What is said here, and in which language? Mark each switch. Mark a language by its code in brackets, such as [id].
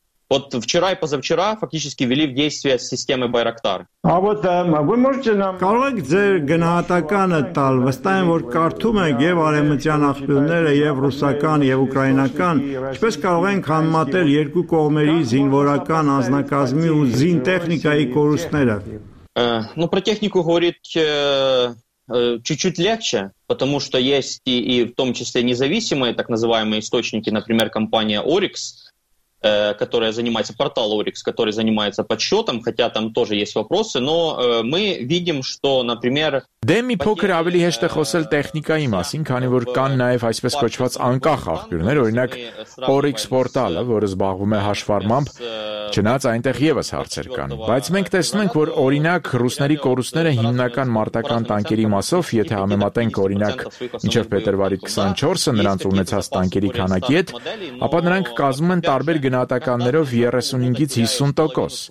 [ru] Вот вчера и позавчера фактически ввели в действие системы Байрактар. А вот вы можете нам [hy] Կարո՞ղ եք ձեր գնահատականը տալ, վստահ եմ, որ կարդում եք եւ արեմտյան աղբյուրները եւ ռուսական եւ ուկրաինական, ինչպես կարող ենք համատել երկու կողմերի զինվորական անձնակազմի ու զինտեխնիկայի կորուստները։ [ru] Ну про технику говорить чуть-чуть легче, потому что есть и в том числе независимые так называемые источники, например, компания Oryx. которая занимается, портал Oryx, который занимается подсчетом, хотя там тоже есть вопросы, но мы видим, что, например... [hy] Դեմի փոքր ավելի հեշտ է խոսել տեխնիկայի մասին, քանի որ կան նաև այսպես կոչված անկախ աղբյուրներ, օրինակ Oryx պորտալը, որը զբաղվում է հաշվառմամբ, չնայած այնտեղ ևս հարցեր կան, բայց մենք տեսնում ենք, որ օրինակ ռուսների կորուստները հիմնական մարտական տանկերի մասով, եթե համեմատենք օրինակ մինչև փետրվարի 24-ը նրանց ունեցած տանկերի քանակի հետ, ապա նրանք կազմում են տարբեր գնահատականներով 35-ից 50%.